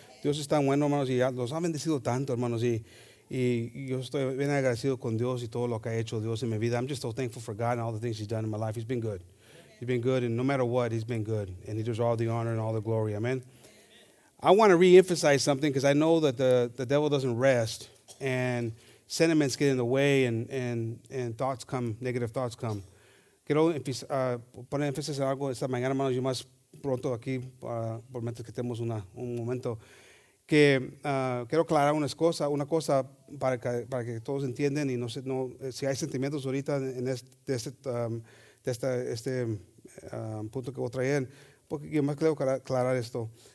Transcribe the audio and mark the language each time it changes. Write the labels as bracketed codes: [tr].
[es] Dios es tan bueno, hermanos, y los ha bendecido tanto, hermanos, y yo estoy bien agradecido con Dios y todo lo que ha hecho Dios en mi vida. [en] I'm just so thankful for God and all the things he's done in my life. He's been good. He's been good, and no matter what, he's been good. And he deserves all the honor and all the glory. Amen. I want to reemphasize something because I know that the devil doesn't rest, and sentiments get in the way, and thoughts come, negative thoughts come. [es] Quiero poner énfasis en algo esta mañana, hermanos. Yo más pronto aquí, por mientras que tenemos un momento. Que quiero aclarar una cosa para que todos entiendan y no sé no si hay sentimientos ahorita en este punto que voy a traer, porque yo más quiero aclarar esto.